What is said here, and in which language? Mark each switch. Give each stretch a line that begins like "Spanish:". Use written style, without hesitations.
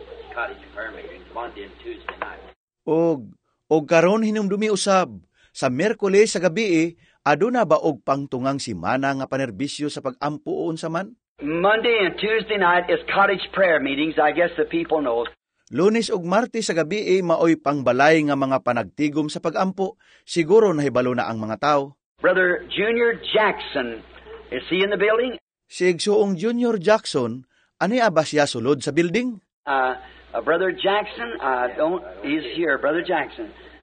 English: Cottage prayer meeting Monday and Tuesday night.
Cebuano: Og karon hinumdumi usab sa Miyerkules sa gabi aduna ba og pangtungang semana nga panerbisyo sa pag-ampo unsa man?
English: Monday and Tuesday night is cottage prayer meetings, I guess the people know.
Cebuano: Lunes og Martes sa gabi maoy pangbalay nga mga panagtigom sa pag-ampo, siguro nahibalo na ang mga tao.
English: Brother Junior Jackson, is he in the building?
Cebuano: Si Igsoong Junior Jackson, ani ba siya sulod sa building?
English: Brother Jackson, he's here, Brother Jackson.